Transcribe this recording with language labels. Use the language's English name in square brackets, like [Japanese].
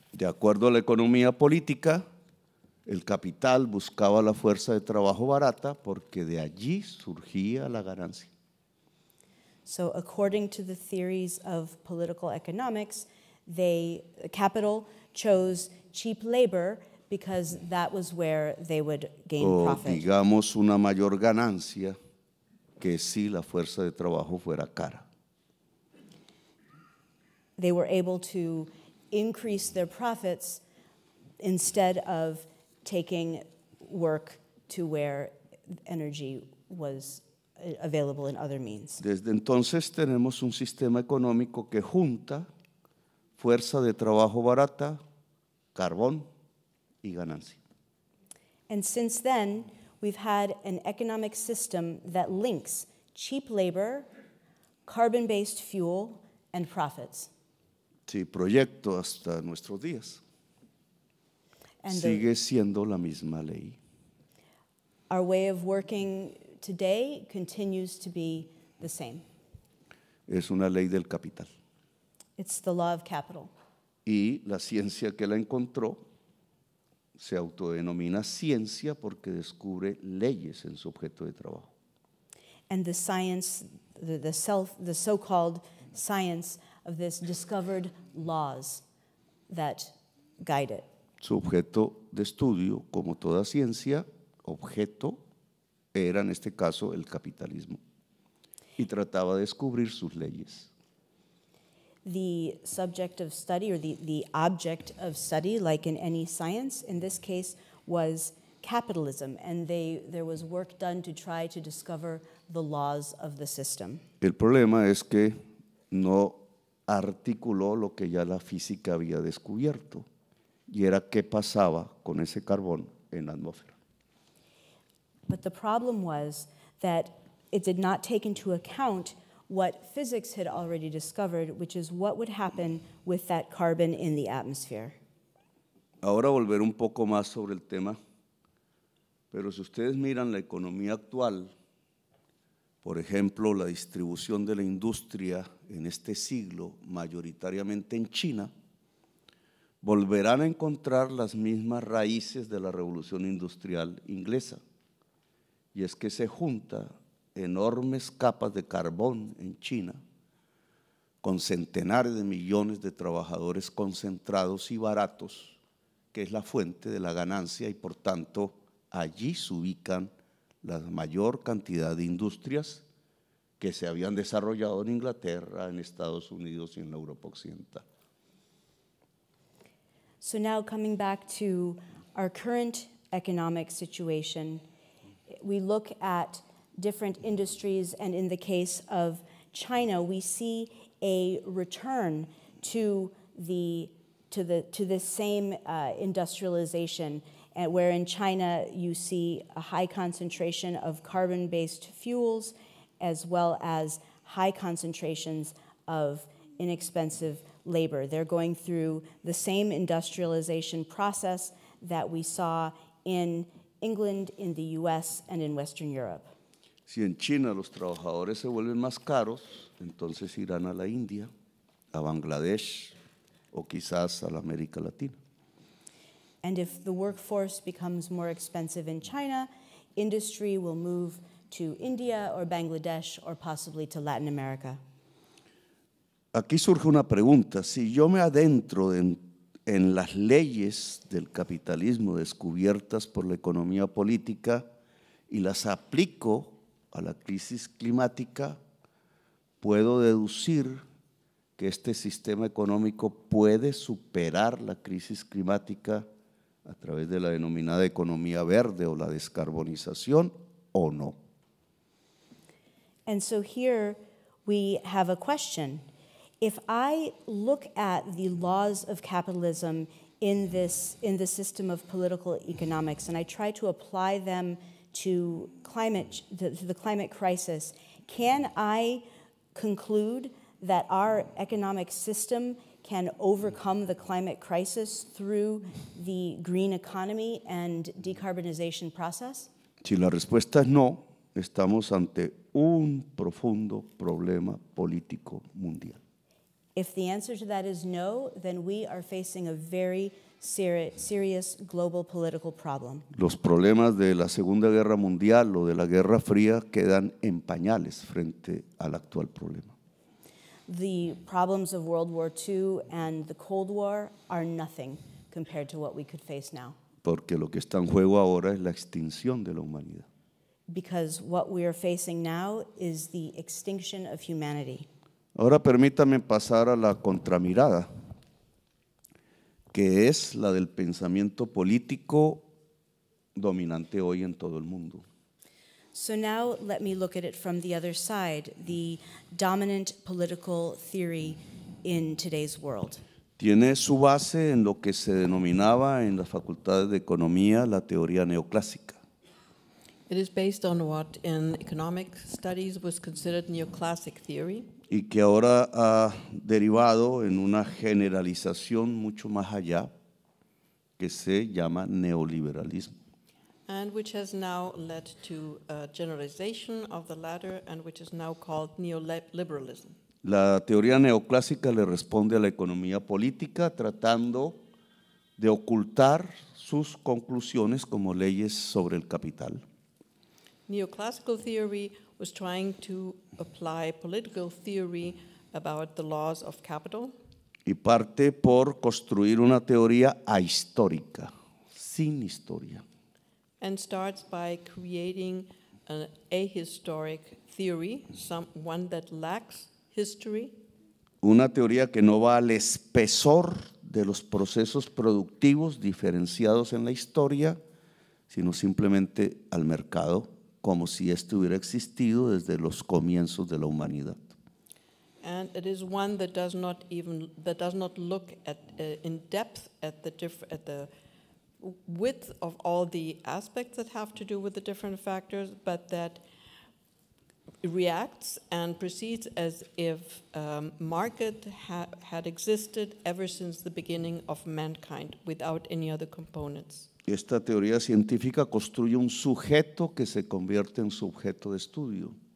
[Spanish] De acuerdo a la economía política, el capital buscaba la fuerza de trabajo barata porque de allí surgía la ganancia. [English] So according to the theories of political economics, they capital chose cheap labor because that was where they would gain o, profit. [Spanish] Digamos una mayor ganancia que si la fuerza de trabajo fuera cara. [English] They were able to increase their profits instead of taking work to where energy was available in other means. [Spanish] Desde entonces tenemos un sistema económico que junta fuerza de trabajo barata, carbón y ganancia. [English] And since then, we've had an economic system that links cheap labor, carbon-based fuel, and profits. [Spanish] Sí, proyecto hasta nuestros días. And sigue siendo la misma ley. [English] Our way of working today continues to be the same. [Spanish] Es una ley del capital. [English] It's the law of capital. [Spanish] Y la ciencia que la encontró se autodenomina ciencia porque descubre leyes en su objeto de trabajo. [English] And the science, the so-called science of this discovered laws that guide it. [Spanish] Su objeto de estudio, como toda ciencia, objeto era en este caso el capitalismo. Y trataba de descubrir sus leyes. [English] The subject of study, or the object of study, like in any science, in this case, was capitalism. And there was work done to try to discover the laws of the system. [Spanish] El problema es que no articuló lo que ya la física había descubierto, y era qué pasaba con ese carbón en la atmósfera. [English] But the problem was that it did not take into account what physics had already discovered, which is what would happen with that carbon in the atmosphere. [Spanish] Ahora volver un poco más sobre el tema, pero si ustedes miran la economía actual, por ejemplo, la distribución de la industria en este siglo, mayoritariamente en China, volverán a encontrar las mismas raíces de la revolución industrial inglesa. Y es que se junta enormes capas de carbón en China, con centenares de millones de trabajadores concentrados y baratos, que es la fuente de la ganancia y por tanto allí se ubican la mayor cantidad de industrias que se habían desarrollado en Inglaterra, en Estados Unidos y en la Europa Occidental. [English] So now coming back to our current economic situation, we look at different industries, and in the case of China, we see a return to the same industrialization, where in China you see a high concentration of carbon-based fuels, as well as high concentrations of inexpensive labor. They're going through the same industrialization process that we saw in England, in the US, and in Western Europe. [Spanish] Si en China los trabajadores se vuelven más caros, entonces irán a la India, a Bangladesh, o quizás a la América Latina. [English] And if the workforce becomes more expensive in China, industry will move to India or Bangladesh or possibly to Latin America. [Spanish] Aquí surge una pregunta. Si yo me adentro en las leyes del capitalismo descubiertas por la economía política y las aplico a la crisis climática, ¿puedo deducir que este sistema económico puede superar la crisis climática a través de la denominada economía verde o la descarbonización o no? [English] And so here we have a question. If I look at the laws of capitalism in the system of political economics and I try to apply them to the climate crisis, can I conclude that our economic system can overcome the climate crisis through the green economy and decarbonization process? [Spanish] Si la respuesta es no, estamos ante un profundo problema político mundial. [English] If the answer to that is no, then we are facing a very serious global political problem. [Spanish] Los problemas de la Segunda Guerra Mundial o de la Guerra Fría quedan en pañales frente al actual problema. [English] The problems of World War II and the Cold War are nothing compared to what we could face now. [Spanish] Porque lo que está en juego ahora es la extinción de la humanidad. [English] Because what we are facing now is the extinction of humanity. [Spanish] Ahora permítame pasar a la contramirada, que es la del pensamiento político dominante hoy en todo el mundo. [English] So now let me look at it from the other side, the dominant political theory in today's world. [Spanish] Tiene su base en lo que se denominaba en las facultades de economía la teoría neoclásica. [English] It is based on what in economic studies was considered neoclassic theory. [Spanish] Y que ahora ha derivado en una generalización mucho más allá, que se llama neoliberalismo. [English] And which has now led to a generalization of the latter and which is now called neoliberalism. [Spanish] La teoría neoclásica le responde a la economía política tratando de ocultar sus conclusiones como leyes sobre el capital. [English] Neoclassical theory was trying to apply political theory about the laws of capital. [Spanish] Y parte por construir una teoría ahistórica, sin historia. [English] And starts by creating an ahistoric theory, one that lacks history. [Spanish] Una teoría que no va al espesor de los procesos productivos diferenciados en la historia, sino simplemente al mercado, como si este hubiera existido desde los comienzos de la humanidad. [English] And it is one that does not even that does not look at in depth at the at the width of all the aspects that have to do with the different factors, but that reacts and proceeds as if market had existed ever since the beginning of mankind without any other components. [Spanish] Esta teoría científica construye un sujeto que se convierte en sujeto de estudio.